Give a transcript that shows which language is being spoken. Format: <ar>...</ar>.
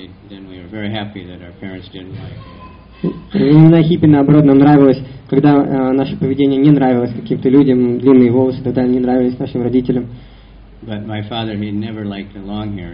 <en>Then we were very happy that our parents didn't like it.</en> <ru>Именно хиппи, наоборот, нам нравилось, когда наше поведение не нравилось каким-то людям, длинные волосы тогда не нравились нашим родителям.</ru> <en>But my father, he never liked the long hair.</en>